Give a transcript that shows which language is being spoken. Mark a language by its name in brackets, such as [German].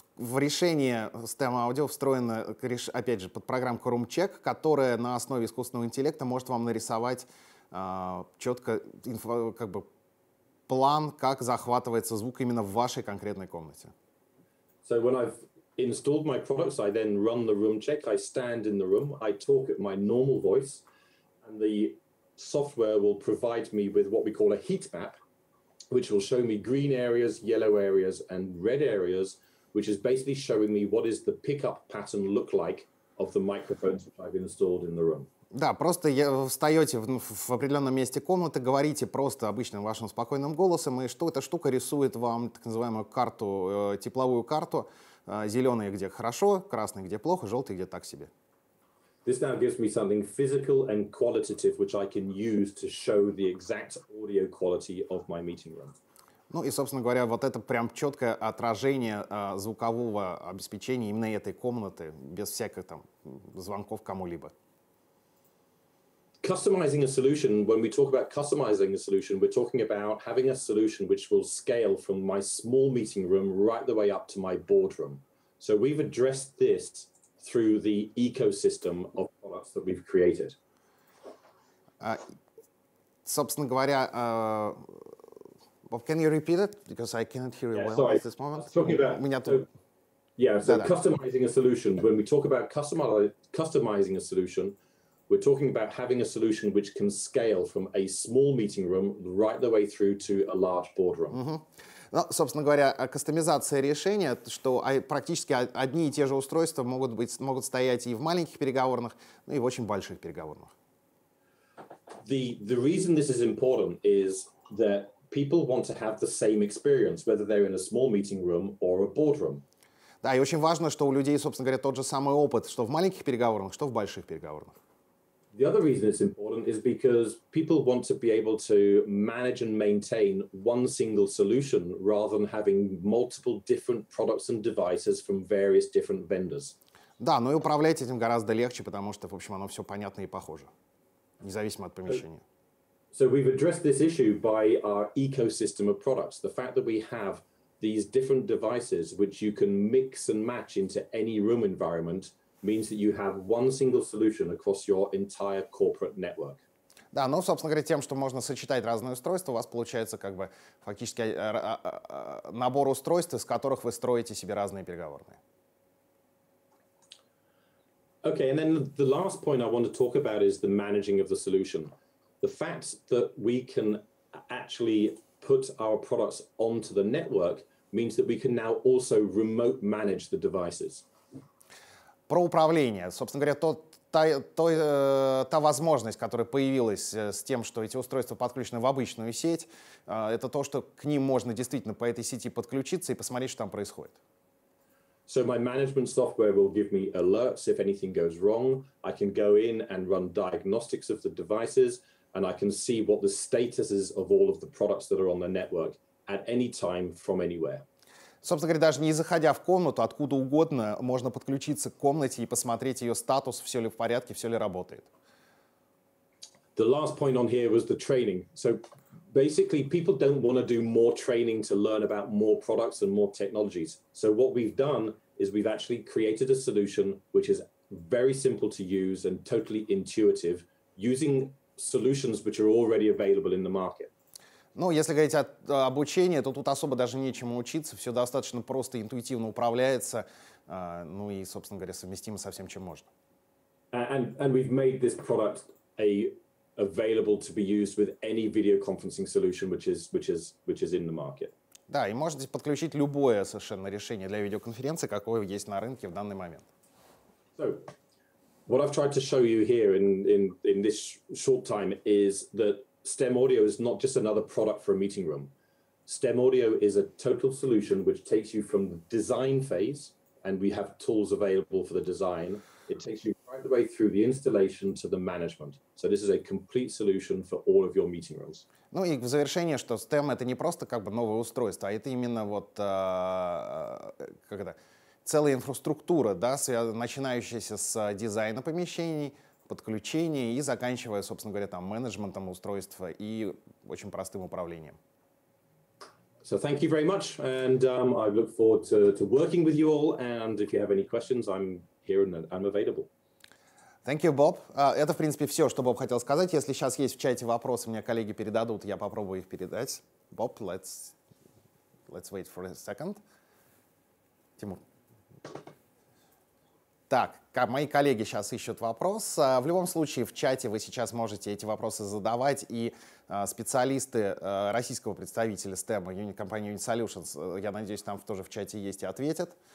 [Russian] В решение STEM Audio встроена, опять же, под программку Room Check, которая на основе искусственного интеллекта может вам нарисовать четко как бы план, как захватывается звук именно в вашей конкретной комнате. [English] So when I've installed my products, I then run the room check, I stand in the room, I talk at my normal voice, and the software will provide me with what we call a heat map, which will show me green areas, yellow areas, and red areas, which is basically showing me what is the pickup pattern look like of the microphones which I've installed in the room. [Russian] Да, просто встаете в определенном месте комнаты, говорите просто обычным вашим спокойным голосом, и что эта штука рисует вам так называемую карту, тепловую карту, зеленые где хорошо, красные где плохо, желтые где так себе. [English] This now gives me something physical and qualitative, which I can use to show the exact audio quality of my meeting room. [Russian] Ну и, собственно говоря, вот это прям четкое отражение звукового обеспечения именно этой комнаты, без всяких там звонков кому-либо. [English] Customizing a solution, when we talk about customizing a solution, we're talking about having a solution which will scale from my small meeting room right the way up to my boardroom. So we've addressed this through the ecosystem of products that we've created. [Russian] Собственно говоря, [English] Bob, can you repeat it? Because I cannot hear you well sorry. At this moment. Customizing a solution, when we talk about customizing a solution, we're talking about having a solution which can scale from a small meeting room right the way through to a large boardroom. [Russian] Ну, собственно говоря, кастомизация решения, что практически одни и те же устройства могут стоять и в маленьких переговорных, ну и в очень больших переговорных. [English] The reason this is important is that people want to have the same experience, whether they're in a small meeting room or a boardroom. [Russian] Да, и очень важно, что у людей, собственно говоря, тот же самый опыт, что в маленьких переговорных, что в больших переговорных. [English] The other reason it's important is because people want to be able to manage and maintain one single solution rather than having multiple different products and devices from various different vendors. [Russian] Да, ну и управлять этим гораздо легче, потому что, в общем, оно все понятно и похоже, независимо от помещения. [English] So we've addressed this issue by our ecosystem of products. The fact that we have these different devices which you can mix and match into any room environment means that you have one single solution across your entire corporate network. [Russian] Да, ну, собственно говоря, тем, что можно сочетать разные устройства, у вас получается как бы фактически набор устройств, из которых вы строите себе разные переговорные. [English] Okay, and then the last point I want to talk about is the managing of the solution. The fact that we can actually put our products onto the network means that we can now also remote manage the devices. [Russian] Про управление. Собственно говоря, та возможность, которая появилась с тем, что эти устройства подключены в обычную сеть, это то, что к ним можно действительно по этой сети подключиться и посмотреть, что там происходит. [English] So my management software will give me alerts if anything goes wrong. I can go in and run diagnostics of the devices, and I can see what the status is of all of the products that are on the network at any time from anywhere. [Russian] Собственно говоря, даже не заходя в комнату, откуда угодно, можно подключиться к комнате и посмотреть ее статус, все ли в порядке, все ли работает. [English] The last point on here was the training. So basically people don't want to do more training to learn about more products and more technologies. So what we've done is we've actually created a solution which is very simple to use and totally intuitive, using solutions which are already available in the market. [Russian] Ну, если говорить об обучении, то тут особо даже нечему учиться, все достаточно просто, интуитивно управляется, ну и, собственно говоря, совместимо со всем, чем можно. [English] And we've made this product available to be used with any video conferencing solution which is in the market. [Russian] Да, и можете подключить любое совершенно решение для видеоконференции, какое есть на рынке в данный момент. [English] So, what I've tried to show you here in this short time is that STEM Audio is not just another product for a meeting room. STEM Audio is a total solution which takes you from the design phase, and we have tools available for the design. It takes you right the way through the installation to the management. So this is a complete solution for all of your meeting rooms. [Russian] Ну и в завершение, что STEM — это не просто как бы новое устройство, а это именно вот, как это, целая инфраструктура, да, начинающаяся с дизайна помещений, подключение и заканчивая, собственно говоря, там менеджментом устройства и очень простым управлением. [English] So thank you very much, and I look forward to working with you all. And if you have any questions, I'm here and I'm available. Thank you, Bob. [Russian] Это, в принципе, все, что Bob хотел сказать. Если сейчас есть в чате вопросы, мне коллеги передадут, я попробую их передать. [English] Bob, let's wait for a second. Тимур. [Russian] Так, мои коллеги сейчас ищут вопрос. В любом случае, в чате вы сейчас можете эти вопросы задавать, и специалисты российского представителя STEM, компании Unit Solutions, я надеюсь, там тоже в чате есть и ответят.